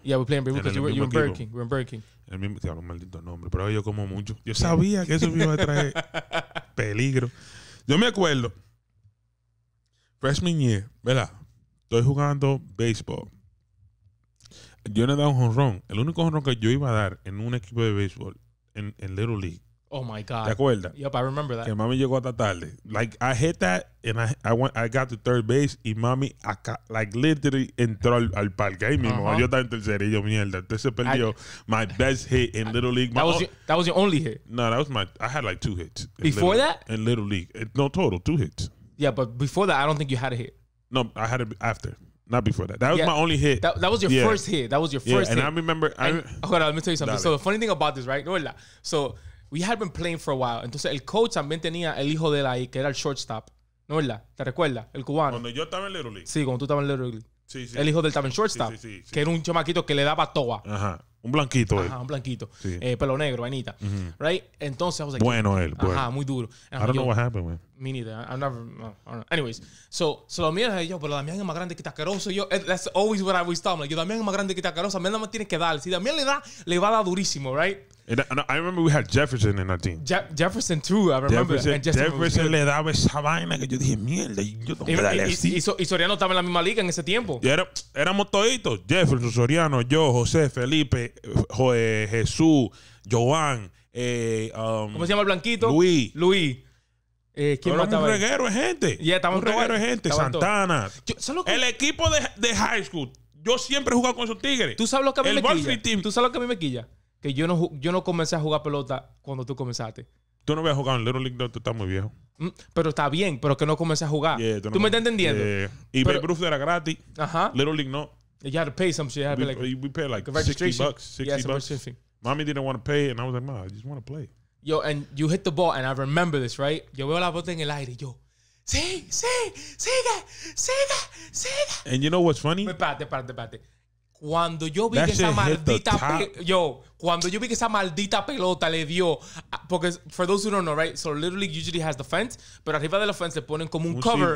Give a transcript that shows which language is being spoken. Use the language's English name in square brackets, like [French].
[English] Yeah, we played in Babe Ruth because you were Burger King. We were in Burger King. [Spanish] El mismo, tío, maldito nombre, pero yo como mucho. Yo sabía que eso me iba a traer peligro. Yo me acuerdo, freshman year, ¿verdad? Estoy jugando baseball. Yo no he dado un home run. El único home run que yo iba a dar en un equipo de baseball, en Little League. [English] Oh my God. [Spanish] ¿Te acuerdas? [English] Yep, I remember that. [Spanish] Que mami llegó hasta tarde. [English] Like, I hit that and I got to third base [Spanish] y mami, [English] like, literally [Spanish] entró al parque ahí mismo. Uh-huh. Yo estaba en tercera y yo, mierda. Entonces se perdió [English] my best hit in Little League. That was your only hit? No, that was I had like two hits. Before that? In Little League. No, total, two hits. Yeah, but before that, I don't think you had a hit. No, I had it after. Not before that. That was my only hit. That was your first hit. That was your first hit. And I remember. Hold on, let me tell you something. Dale. So the funny thing about this, right? [Spanish] No, verdad. [English] So we had been playing for a while. [Spanish] Entonces el coach también tenía el hijo de él ahí, que era el shortstop. No, verdad. ¿Te recuerdas? El cubano. Cuando yo estaba en Little League. Sí, cuando tú estabas en Little League. Sí, sí. El hijo del estaba en shortstop. Sí, sí, sí, sí. Que era un chamaquito que le daba toa. Ajá. Un blanquito. Ajá, un blanquito. Sí. Pelo negro, vainita. Uh-huh. Right? Entonces, [English] I was like, [Spanish] bueno, él. Ajá, bueno. Muy duro. [English] And I don't know what happened, man. Me neither. I don't know. Anyways. [Spanish] So lo mira y yo, pero Damián es más grande que Taqueroso. Yo, [English] that's always what I always thought. I'm like, [Spanish] yo, Damián es más grande que Taqueroso. Damián no me tiene que dar. Si Damián le da, le va a dar durísimo, right? [English] And I remember we had Jefferson in our team. Jefferson too, I remember. [Spanish] Jefferson le daba esa vaina que yo dije, mierda, yo tengo que darle así. Y Soriano estaba en la misma liga en ese tiempo. Éramos toditos. Jefferson, Soriano, yo, José, Felipe, Jesús, Joan. ¿Cómo se llama el blanquito? Luis. ¿Quién más estaba un reguero de gente. Un reguero de gente. Santana. El equipo de high school. Yo siempre jugaba con esos tigres. ¿Tú sabes lo que a mí me quilla? ¿Tú sabes lo que a mí me quilla? Que yo no comencé a jugar pelota cuando tú comenzaste. Tú no habías jugado en Little League, no, tú estás muy viejo. Pero está bien, pero que no comencé a jugar. [English] Yeah, [Spanish] ¿Tú me estás entendiendo? Yeah. Y Babe Ruth era gratis. Ajá. Little League, no. [English] You had to pay some shit. We paid like $60. Mommy didn't want to pay, and I was like, Mom, I just want to play. Yo, and you hit the ball, and I remember this, right? [Spanish] Yo veo la bota en el aire, yo. Sí, sí, sigue, sigue, sigue. [English] And you know what's funny? [Spanish] Espérate. Cuando yo vi que esa maldita pelota le dio, porque [English] for those who don't know, right? So Little League usually has the fence, [Spanish] pero arriba de la fence le ponen como un cover,